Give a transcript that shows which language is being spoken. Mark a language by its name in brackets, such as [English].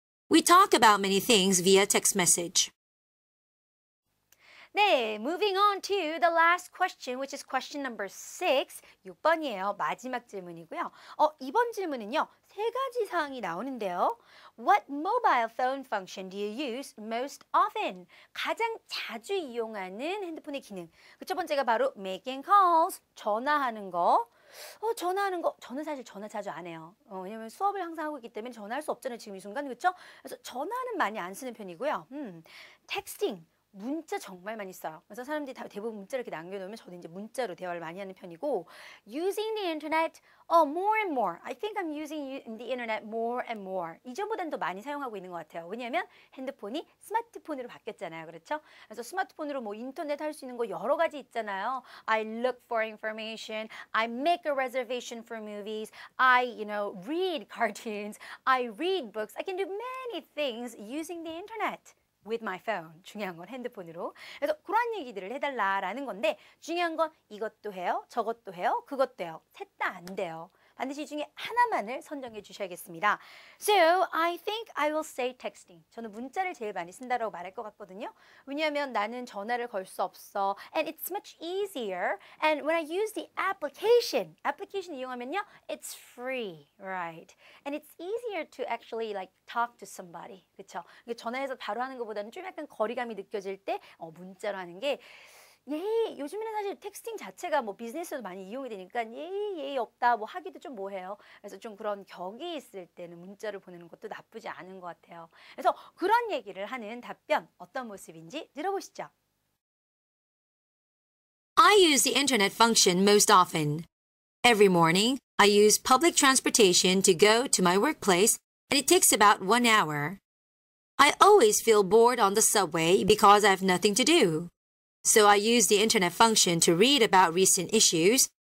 [English] We talk about many things via text message. 네, moving on to the last question, which is question number 6. [Korean] 6번이에요. 마지막 질문이고요. 이번 질문은요. 세 가지 사항이 나오는데요. [English] What mobile phone function do you use most often? [Korean] 가장 자주 이용하는 핸드폰의 기능. 그 첫 번째가 바로 [English] making calls, [Korean] 전화하는 거. 전화하는 거, 저는 사실 전화 자주 안 해요. 왜냐면 수업을 항상 하고 있기 때문에 전화할 수 없잖아요, 지금 이 순간. 그렇죠? 그래서 전화는 많이 안 쓰는 편이고요. Texting. 문자 정말 많이 써요. 그래서 사람들이 대부분 문자를 이렇게 남겨놓으면 저도 이제 문자로 대화를 많이 하는 편이고 [English] using the internet more and more. I think I'm using the internet more and more. [Korean] 이전보다는 더 많이 사용하고 있는 것 같아요. 왜냐하면 핸드폰이 스마트폰으로 바뀌었잖아요. 그렇죠? 그래서 스마트폰으로 뭐 인터넷 할 수 있는 거 여러 가지 있잖아요. [English] I look for information. I make a reservation for movies. I, you know, read cartoons. I read books. I can do many things using the internet. With my phone. [Korean] 중요한 건 핸드폰으로. 그래서 그런 얘기들을 해달라라는 건데 중요한 건 이것도 해요, 저것도 해요, 그것도 해요. 셋 다 안 돼요. 반드시 이 중에 하나만을 선정해 주셔야겠습니다. [English] So, I think I will say texting. [Korean] 저는 문자를 제일 많이 쓴다라고 말할 것 같거든요. 왜냐하면 나는 전화를 걸 수 없어. [English] And it's much easier. And when I use the application, [Korean] 애플리케이션 이용하면요, [English] it's free, right? And it's easier to actually like talk to somebody, [Korean] 그렇죠? 전화해서 바로 하는 것보다는 좀 약간 거리감이 느껴질 때 문자로 하는 게 요즘에는 사실 텍스팅 자체가 뭐 비즈니스에도 많이 이용이 되니까 예의 없다 뭐 하기도 좀 뭐해요. 그래서 좀 그런 격이 있을 때는 문자를 보내는 것도 나쁘지 않은 것 같아요. 그래서 그런 얘기를 하는 답변 어떤 모습인지 들어보시죠. [English] I use the internet function most often. Every morning, I use public transportation to go to my workplace and it takes about 1 hour. I always feel bored on the subway because I have nothing to do. So I use the internet function to read about recent issues